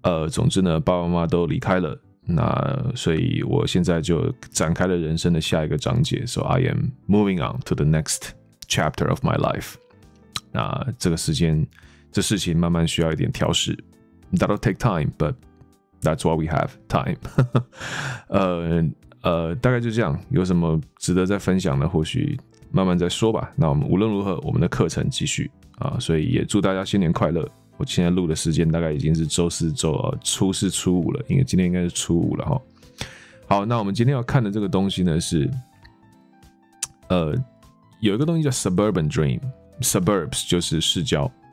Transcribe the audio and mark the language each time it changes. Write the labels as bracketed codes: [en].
[zh] 总之呢，爸爸妈妈都离开了，那所以我现在就展开了人生的下一个章节。 [en] So I am moving on to the next chapter of my life。 [zh] 那这个时间，这事情慢慢需要一点调试。 [en] That'll take time, but that's why we have time. [zh] 大概就这样。有什么值得再分享的，或许慢慢再说吧。那我们无论如何，我们的课程继续啊，所以也祝大家新年快乐。我现在录的时间大概已经是周四周初四初五了，因为今天应该是初五了哈。好，那我们今天要看的这个东西呢是，有一个东西叫 suburban dream， suburbs 就是市郊。